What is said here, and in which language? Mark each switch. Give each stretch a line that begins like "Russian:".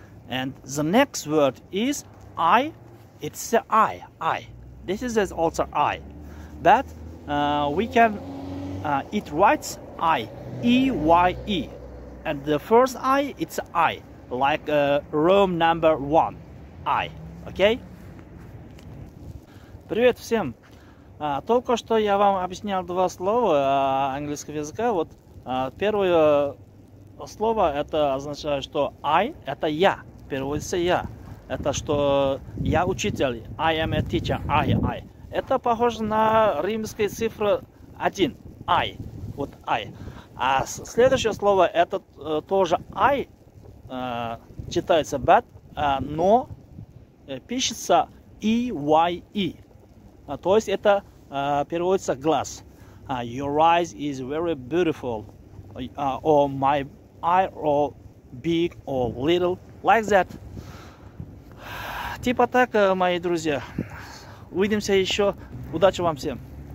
English: And the next word is I. It's the I. This is also I. But we can, it writes I, E-Y-E. And the first I, it's I, like room number one, I, okay?
Russian: Привет всем! Только что я вам объяснял два слова английского языка. Вот первое слово, это означает, что I, это я, переводится я. Это что я учитель,
English: I am a teacher,
Russian: I. Это похоже на римскую цифру 1, I, вот I. А следующее слово, это тоже I читается, but, но пишется E-Y-E. То есть это переводится глаз.
English: Your eyes is very beautiful, or my eye, or big, or little, like that.
Russian: Типа так, мои друзья. Увидимся еще. Удачи вам всем!